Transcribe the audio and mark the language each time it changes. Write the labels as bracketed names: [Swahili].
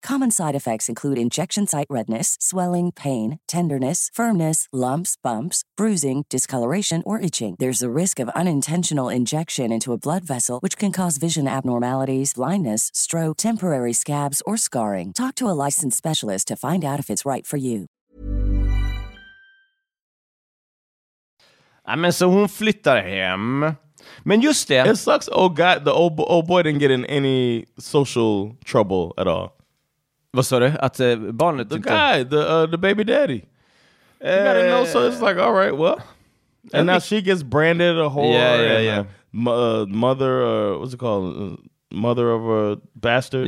[English] Common side effects include injection site redness, swelling, pain, tenderness, firmness, lumps, bumps, bruising, discoloration, or itching. There's a risk of unintentional injection into a blood vessel, which can cause vision abnormalities, blindness, stroke, temporary scabs, or scarring. Talk to a licensed specialist to find out if it's right for you. [Swedish] Ja, men så hon flyttar hem. Men just det. [English] It sucks. Oh god, the old boy didn't get in any social trouble at all. [Swedish] Vad sa du? Att barnet [English] the inte... guy, the baby daddy. He got a no, so it's like, all right, well. And now she gets branded a whore. Yeah. Mother, what's it called? Mother of a bastard.